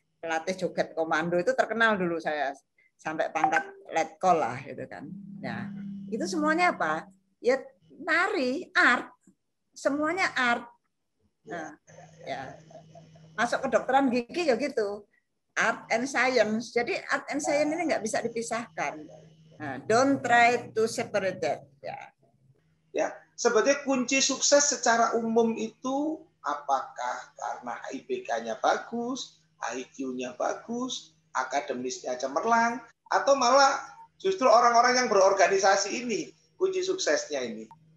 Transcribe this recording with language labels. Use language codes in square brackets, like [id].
[id] Pelatih joget komando itu terkenal dulu saya. Sampai pangkat letkol lah. Gitu kan. Ya. Itu semuanya apa? Ya, nari, art. Semuanya art. Nah, ya. Masuk kedokteran gigi ya gitu. [en] Art and science. [id] Jadi [en] art and science [id] ini nggak bisa dipisahkan. [en] Nah, don't try to separate that. Yeah. [id] Ya, sebetulnya kunci sukses secara umum itu apakah karena IPK-nya bagus, IQ-nya bagus, akademisnya cemerlang, atau malah justru orang-orang yang berorganisasi ini kunci suksesnya ini?